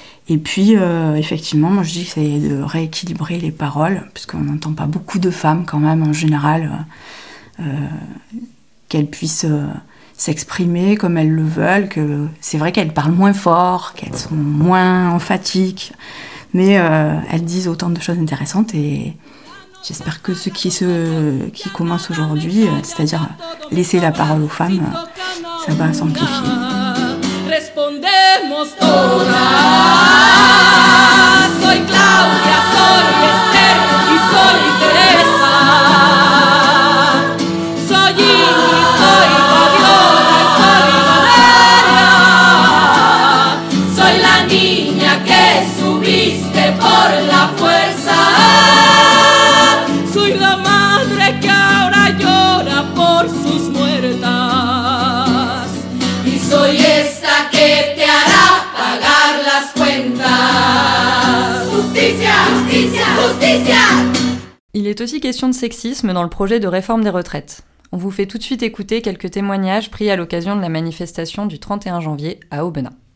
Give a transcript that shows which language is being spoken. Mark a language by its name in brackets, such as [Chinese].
[French] Et puis, effectivement, moi je dis que c'est de rééquilibrer les paroles, puisqu'on n'entend pas beaucoup de femmes quand même en général, qu'elles puissent s'exprimer comme elles le veulent, que c'est vrai qu'elles parlent moins fort, qu'elles sont moins emphatiques, mais elles disent autant de choses intéressantes et j'espère que ce qui commence aujourd'hui, c'est-à-dire laisser la parole aux femmes, ça va s'amplifier. [Spanish] Respondemos todas. Soy Claudia, soy Esther y soy Teresa. Soy Ingrid, soy Fabiola, soy Valeria. Soy la niña que subiste por la fuerza. Soy la madre que ahora llora por sus muertas. Y soy esta que te hará pagar las cuentas. Justicia, justicia, justicia. [French] Il est aussi question de sexisme dans le projet de réforme des retraites. On vous fait tout de suite écouter quelques témoignages pris à l'occasion de la manifestation du 31 janvier à Aubenas.